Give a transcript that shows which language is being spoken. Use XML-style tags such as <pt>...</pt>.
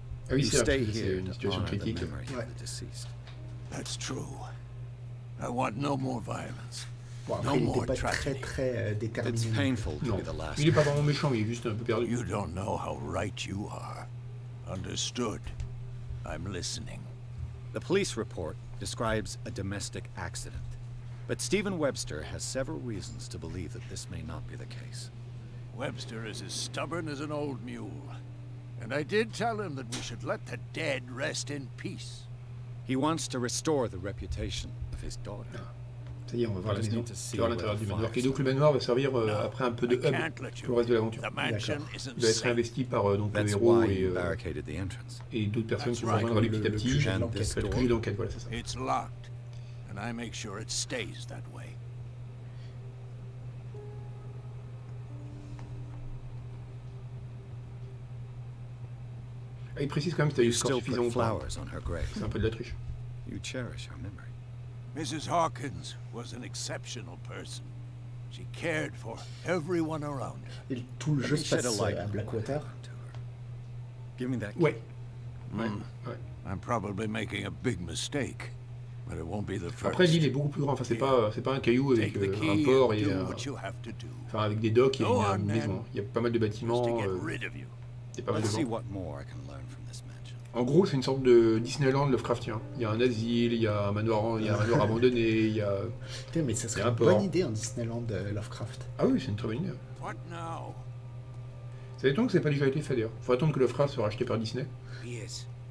<fr>Ah oui, c'est une situation critique. Ouais.</fr> <en>That's true. I want no more violence.</en> <fr>Bon, après, il n'est pas très très déterminé. Non. Il n'est pas vraiment méchant, il est juste un peu perdu.</fr> <en>You don't know how right you are. Understood. I'm listening. The police report describes a domestic accident, but Stephen Webster has several reasons to believe that this may not be the case. Webster is as stubborn as an old mule, and I did tell him that we should let the dead rest in peace. He wants to restore the reputation of his daughter. No.</en> <fr>Ça y est, on va voir la maison. Tu vas voir l'intérieur du manoir. Et donc le manoir va servir après un peu de hub pour le reste de l'aventure. D'accord. Il va être réinvesti par donc le héros et d'autres personnes qui vont rejoindre lui petit à petit. Le plus d'enquête, voilà, c'est ça.</fr> <en>It's locked, and I make sure it stays that way.</en> <fr>Il précise quand même si tu as eu le score suffisant ou pas. C'est un peu de la triche.</fr> <en>You cherish our memory. Mrs. Hawkins was an exceptional person. She cared for everyone around her.</en> <fr>Et tout le jeu se passe à Blackwater.</fr> <en>Give me that.</en> <fr>Oui.</fr> <en>I'm probably making a big mistake, but it won't be the first.</en> <fr>Après, il est beaucoup plus grand. Enfin, c'est pas un caillou avec un port et enfin avec des docks et une maison. Il y a pas mal de bâtiments.</fr> <en>Let's see what more I can learn from this mansion.</en> <fr>En gros, c'est une sorte de Disneyland Lovecraftien. Il y a un asile, il y a un manoir, abandonné, il y a. Putain, mais ça serait une bonne idée en Disneyland Lovecraft. Ah oui, c'est une très bonne idée.</fr> <en>What now?</en> <fr>C'est étonnant que ça n'ait pas déjà été fait d'ailleurs. Faut attendre que Lovecraft soit racheté par Disney.</fr> <en>Yes.</en>